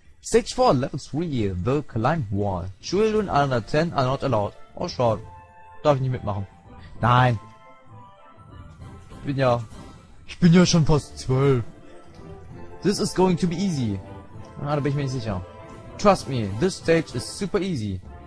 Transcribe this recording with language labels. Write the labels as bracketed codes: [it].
[en] Stage 4, Level 3, The Climb Wall. Children under 10 are not allowed. [de] Oh, schade. Darf ich nicht mitmachen. Nein! Ich bin ja schon fast 12. [en] This is going to be easy. [de] Ah, da bin ich mir nicht sicher. [en] Trust me, this stage is super easy.